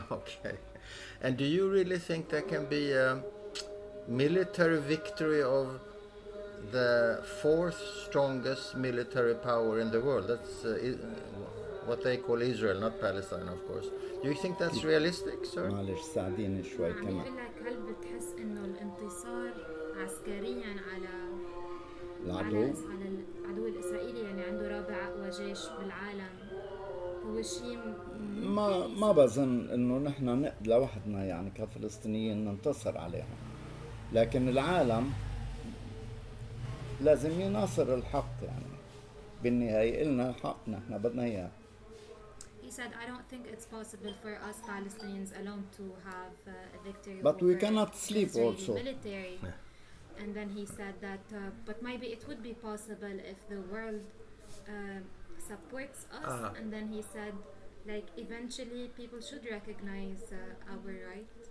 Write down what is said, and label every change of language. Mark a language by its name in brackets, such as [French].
[English] Okay. And do you really think there can be a military victory of the fourth strongest military power in the world? That's what they call Israel, not Palestine, of course. Do you think that's realistic, sir? I feel like you feel [Arabic] العدو الإسرائيلي يعني عنده رابع أقوى جيش بالعالم هو شيء ما بظن إنه نحنا نقدر لوحدنا يعني كفلسطينيين ننتصر عليهم لكن العالم لازم يناصر الحق يعني بالنهاية إلنا حق نحنا بدنا إياه. [English] He said, "I don't think it's possible for us Palestinians alone to have a victory." But we cannot sleep also. Military. And then he said that, but maybe it would be possible if the world supports us. And then he said, like, eventually people should recognize our right.